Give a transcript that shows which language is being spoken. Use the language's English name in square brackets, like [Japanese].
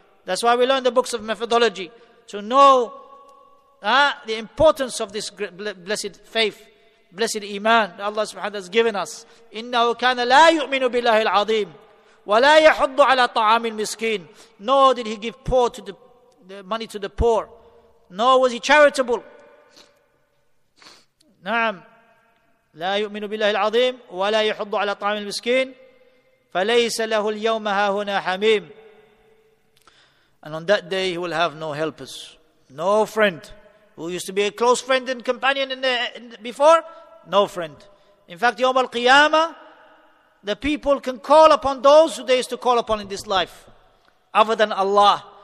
[English] That's why we learn the books of methodology, to know the importance of this blessed faith, blessed iman that Allah subhanahu wa ta'ala has given us. [Arabic] إِنَّهُ كَانَ لَا يُؤْمِنُ بِاللَّهِ الْعَظِيمِ وَلَا يَحُضُّ عَلَى طَعَامِ الْمِسْكِينِ. [English] Nor did he give poor to the money to the poor, nor was he charitable. [Arabic] نعم لا يؤمن بالله العظيم ولا يحض على طعام المسكين. فَلَيْسَ لَهُ الْيَوْمَ هَا هُنَا حَمِيمٌ. [English] And on that day he will have no helpers, no friend. Who used to be a close friend and companion before? No friend. In fact, يوم القيامة, the people can call upon those who they used to call upon in this life, other than Allah.